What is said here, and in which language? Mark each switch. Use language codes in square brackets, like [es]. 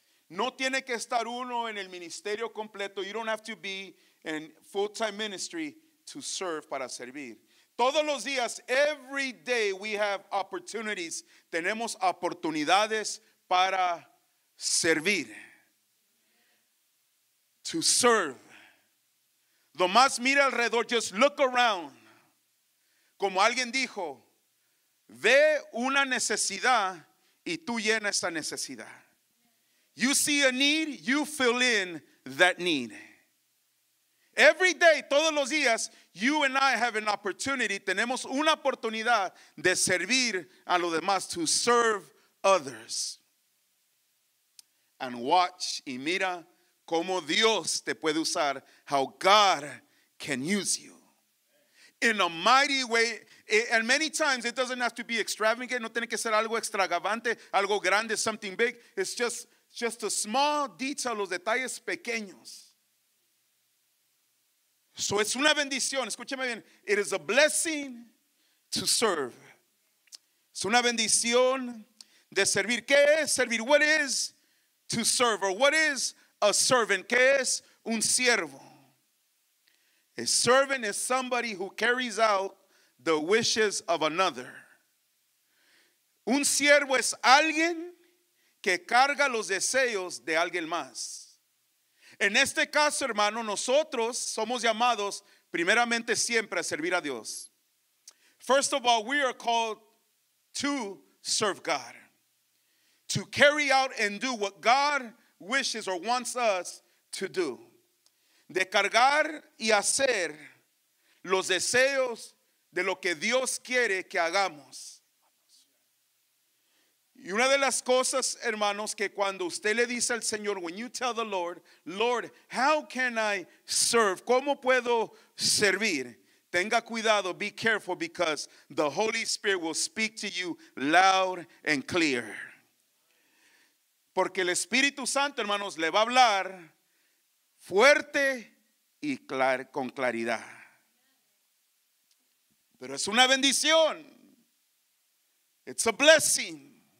[es] No tiene que estar uno en el ministerio completo. [en] You don't have to be in full-time ministry to serve, [es] para servir. Todos los días, [en] every day, we have opportunities. [es] Tenemos oportunidades para servir. [en] To serve. [es] Lo más, mira alrededor. [en] Just look around. [es] Como alguien dijo, ve una necesidad y tú llena esa necesidad. [en] You see a need, you fill in that need. Every day, [es] todos los días, [en] you and I have an opportunity, [es] tenemos una oportunidad de servir a los demás, [en] to serve others. And watch, [es] y mira cómo Dios te puede usar, [en] how God can use you. In a mighty way, and many times it doesn't have to be extravagant, [es] no tiene que ser algo extravagante, algo grande, [en] something big. It's just a small detail, [es] los detalles pequeños. [en] So it's [es] una bendición, escúchame bien, [en] it is a blessing to serve. [es] Es una bendición de servir. ¿Qué es servir? [en] What is to serve? Or what is a servant? [es] ¿Qué es un siervo? [en] A servant is somebody who carries out the wishes of another. [es] Un siervo es alguien que carga los deseos de alguien más. En este caso, hermano, nosotros somos llamados primeramente siempre a servir a Dios. [en] First of all, we are called to serve God. To carry out and do what God wishes or wants us to do. [es] De cargar y hacer los deseos de lo que Dios quiere que hagamos. Y una de las cosas, hermanos, que cuando usted le dice al Señor, [en] when you tell the Lord, Lord, how can I serve? [es] ¿Cómo puedo servir? Tenga cuidado, be careful, because the Holy Spirit will speak to you loud and clear. Porque el Espíritu Santo, hermanos, le va a hablar fuerte y con claridad. Pero es una bendición. [en] It's a blessing.